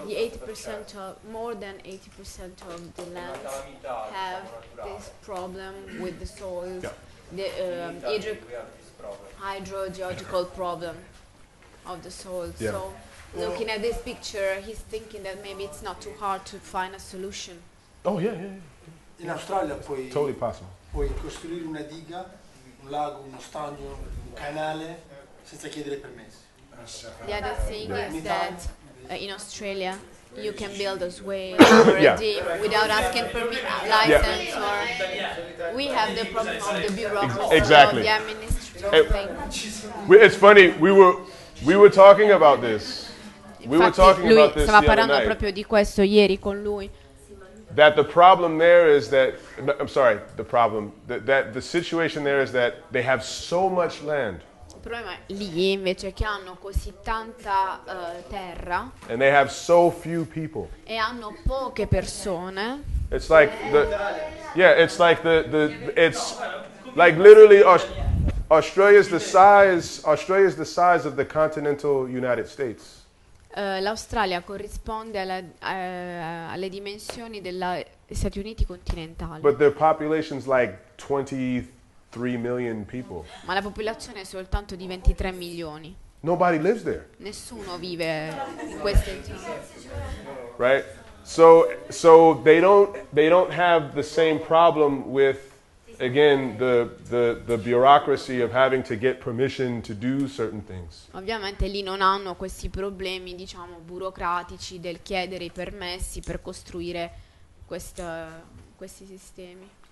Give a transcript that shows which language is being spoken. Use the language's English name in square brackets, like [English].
[English] 80% of, more than 80% of the land have this problem with the soils, yeah. The hydrogeological problem of the soils. Yeah. So well, looking at this picture, he's thinking that maybe it's not too hard to find a solution. Oh yeah, yeah. [Italian] In Australia puoi, [English] totally possible. [Italian] Puoi costruire una diga, un lago, uno stagno, un canale senza chiedere permessi. [English] The other thing yeah. is that in Australia you can build a swale yeah. without asking permission, yeah. license, or we have the problem of the bureaucracy, exactly. the administrative thing. It's funny, we were talking about this. We were talking [Italian] lui [English] about this [Italian] stava parlando [English] the other [Italian] proprio [English] night. [Italian] Di questo ieri con lui. [English] That the problem there is that, no, I'm sorry, the problem, that the situation there is that they have so much land. [Italian] Il problema lì invece è che hanno così tanta terra [English] and they have so few people. [Italian] E hanno poche persone. [English] It's like the, yeah, it's like the it's like literally Australia is the size of the continental United States. [Italian] L'Australia corrisponde alle dimensioni degli Stati Uniti continentali. [English] But their population is like 23 million people. [Italian] Ma la popolazione è soltanto di 23 milioni. [English] Nobody lives there. [Italian] Nessuno vive in queste zone. [English] Right? So they don't have the same problem with, again, the bureaucracy of having to get permission to do certain things. [Italian] Ovviamente lì non hanno questi problemi, diciamo, burocratici del chiedere i permessi per costruire questi sistemi.